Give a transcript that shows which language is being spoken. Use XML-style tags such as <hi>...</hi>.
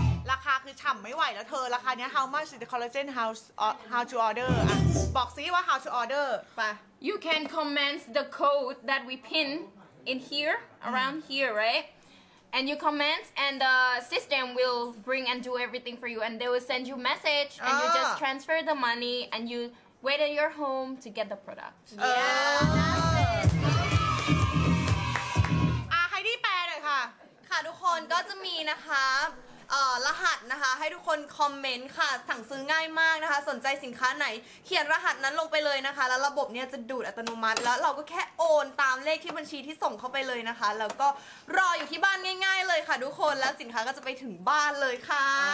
<th>ราคาคือฉ่ำไม่ไหวแล้วเธอราคาเนี้ย</th> <en>How much is the collagen how to order?</en> <th>บอกซิว่า</th> <en>how to order</en> <th>ไป</th> <en>You can comment the code that we pin in here, around here, right? And you comment and the system will bring and do everything for you and they will send you message and you just transfer the money and you wait at your home to get the product. Yeah, that's it.</en> <th>ให้ดีแปลหน่อยค่ะค่ะทุกคนก็จะมีนะคะรหัสนะคะให้ทุกคนคอมเมนต์ค่ะสั่งซื้อง่ายมากนะคะสนใจสินค้าไหนเขียนรหัสนั้นลงไปเลยนะคะแล้วระบบเนี้ยจะดูดอัตโนมัติแล้วเราก็แค่โอนตามเลขที่บัญชีที่ส่งเข้าไปเลยนะคะแล้วก็รออยู่ที่บ้านง่ายๆเลยค่ะทุกคนแล้วสินค้าก็จะไปถึงบ้านเลยค่ะ</th>